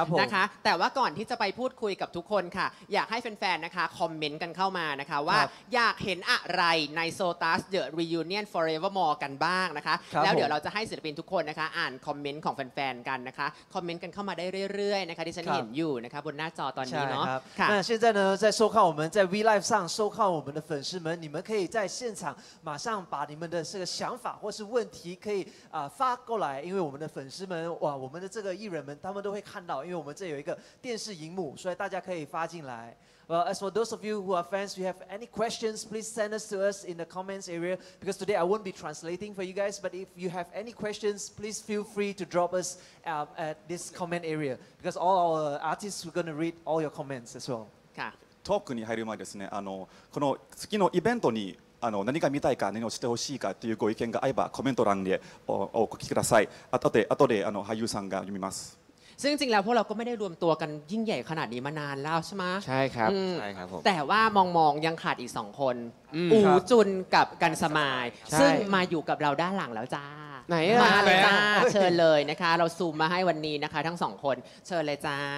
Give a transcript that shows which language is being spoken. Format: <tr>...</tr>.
<th>นะคะแต่ว่าก่อนที่จะไปพูดคุยกับทุกคนค่ะอยากให้แฟนๆนะคะคอมเมนต์กันเข้ามานะคะว่าอยากเห็นอะไรในโซตัสเดอะรีวิวเนียนฟอร์เอเวอร์มอร์กันบ้างนะคะแล้วเดี๋ยวเราจะให้ศิลปินทุกคนนะคะอ่านคอมเมนต์ของแฟนๆกันนะคะคอมเมนต์กันเข้ามาได้เรื่อยๆนะคะที่ฉันเห็นอยู่นะคะบนหน้าจอตอนนี้เน า ะ</th> <zh>ค่ะ那现在呢在收看我们在 V Live 上收看我们的粉丝们你们可以在现场马上把你们的这个想法或是问题可以发过来，因为我们的粉丝们哇，我们的这个艺人们他们都会看到，因为我们这有一个电视荧幕，所以大家可以发进来。</zh> <en>Well, as for those of you who are fans, if you have any questions, please send us to us in the comments area. Because today I won't be translating for you guys, but if you have any questions, please feel free to drop us at this comment area. Because all our artists are going to read all your comments as well. Okay.</en> <ja>トークに入る前ですね、この次のイベントに何が見たいか、何をしてほしいかというご意見があればコメント欄でお聞きください。後で俳優さんが読みます。</ja> <th>ซึ่งจริงๆแล้วพวกเราก็ไม่ได้รวมตัวกันยิ่งใหญ่ขนาดนี้มานานแล้วใช่ไหม ใช่ครับใช่ครับผม แต่ว่ามองๆยังขาดอีก2คนอูจุนกับกันสมายซึ่งมาอยู่กับเราด้านหลังแล้วจ้า ไหน มาเลยจ้าเชิญเลยนะคะเราซูมมาให้วันนี้นะคะทั้ง2คนเชิญเลยจ้า</th>